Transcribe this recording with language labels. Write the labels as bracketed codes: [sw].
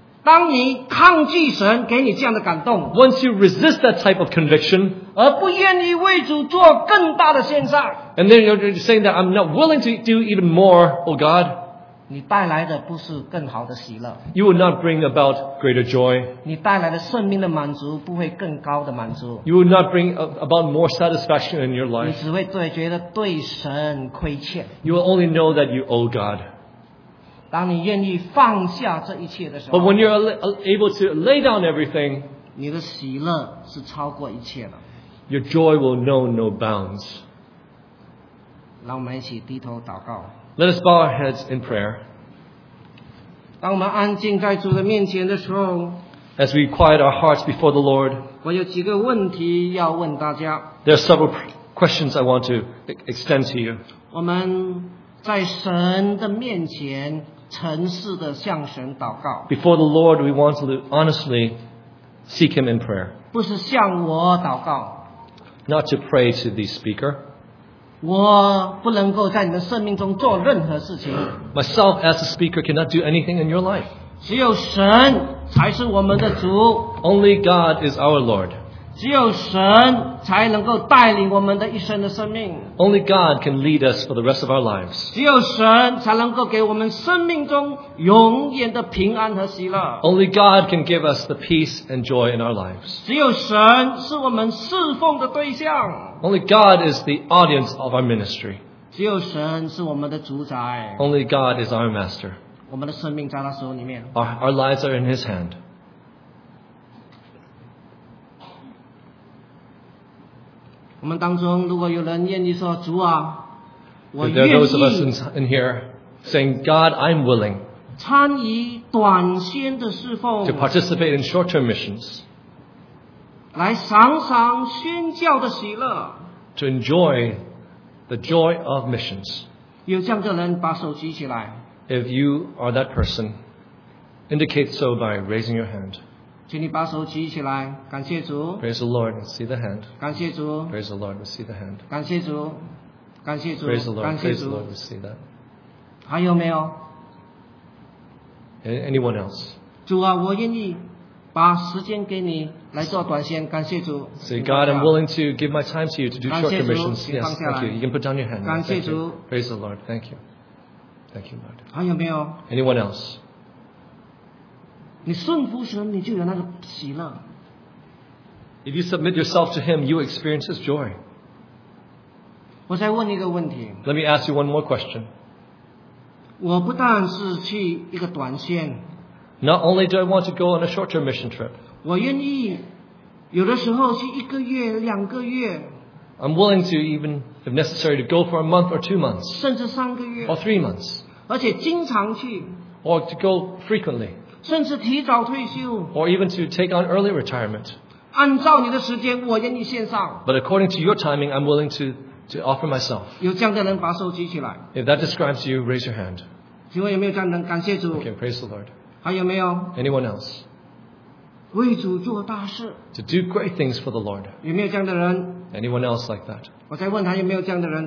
[zh] 当你抗拒神给你这样的感动 [en] ，Once you resist that type of conviction， [zh] 而不愿意为主做更大的献上 [en] ，And then you're saying that I'm not willing to do even more, O God， [zh] 你带来的不是更好的喜乐 [en] ，You will not bring about greater joy， [zh] 你带来的生命的满足不会更高的满足 [en] ，You will not bring about more satisfaction in your life， [zh] 你只会觉得对神亏欠 [en] ，You will only know that you owe God。 [zh] 当你愿意放下这一切的时候 [en] ，But when you're able to lay down everything， [zh] 你的喜乐是超过一切的。 [en] Your joy will know no bounds。 [zh] 让我们一起低头祷告。 [en] Let us bow our heads in prayer。 [zh] 当我们安静在主的面前的时候， [en] As we quiet our hearts before the Lord, [zh] 我有几个问题要问大家。 [en] There are several questions I want to extend to you. [zh] 我们在神的面前诚实地向神祷告。 [en] Before the Lord, we want to honestly seek Him in prayer. [zh] 不是向我祷告。 [en] Not to pray to the speaker. [zh] 我不能够在你的生命中做任何事情。 [en] Myself as a speaker cannot do anything in your life. [zh] 只有神才是我们的主。 [en] Only God is our Lord. [zh] 只有神才能够带领我们的一生的生命。 [en] Only God can lead us for the rest of our lives. [zh] 只有神才能够给我们生命中永远的平安和喜乐。 [en] Only God can give us the peace and joy in our lives. [zh] 只有神是我们侍奉的对象。 [en] Only God is the audience of our ministry. [zh] 只有神是我们的主宰。 [en] Only God is our master. [zh] 我们的生命在他手里面。 [en] Our lives are in His hand. [zh] 我们当中如果有人愿意说主啊，我愿意。 [en] There are those of us in here saying, God, I'm willing. [zh] 参与短宣的侍奉。 [en] To participate in short-term missions. [zh] 来赏赏宣教的喜乐。 [en] To enjoy the joy of missions. [zh] 有这样的人把手举起来。 [en] If you are that person, indicate so by raising your hand. [zh] 请你把手举起来，感谢主。 [en] Praise the Lord and see the hand. [zh] 感谢主。 [en] Praise the Lord and see the hand. [zh] 感谢主，感谢主。 [en] Praise the Lord, praise the Lord and see that. [zh] 还有没有？ [en] Anyone else? [zh] 主啊，我愿意。把时间给你来做短宣，感谢主。 [en] Say God, I'm willing to give my time to you to do short commissions. Yes, thank you. You can put down your hand. [zh] 感谢主。 [en] Praise the Lord. Thank you. Thank you, Lord. [zh] 还有没有 [en] ？Anyone else? [zh] 你顺服神，你就有那个喜乐。 [en] If you submit yourself to Him, you experience His joy. [zh] 我再问一个问题。 [en] Let me ask you one more question. [zh] 我不但是去一个短宣。 [en] Not only do I want to go on a short-term mission trip, [zh] 我愿意有的时候去一个月、两个月。 [en] I'm willing to even, if necessary, to go for a month or 2 months, [zh] 甚至三个月。 [en] Or 3 months. [zh] 而且经常去。 [en] Or to go frequently. [zh] 甚至提早退休。 [en] Or even to take on early retirement. [zh] 按照你的时间，我愿意献上。 [en] But according to your timing, I'm willing to offer myself. [zh] 有这样的人把手举起来。 [en] If that describes you, raise your hand. [zh] 请问有没有这样的人？感谢主。 [en] Okay, praise the Lord. [zh] 还有没有 [en] ？Anyone else？ [zh] 为主做大事。 [en] To do great things for the Lord。 [zh] 有没有这样的人 [en] ？Anyone else like that？ [zh] 我再问他有没有这样的人。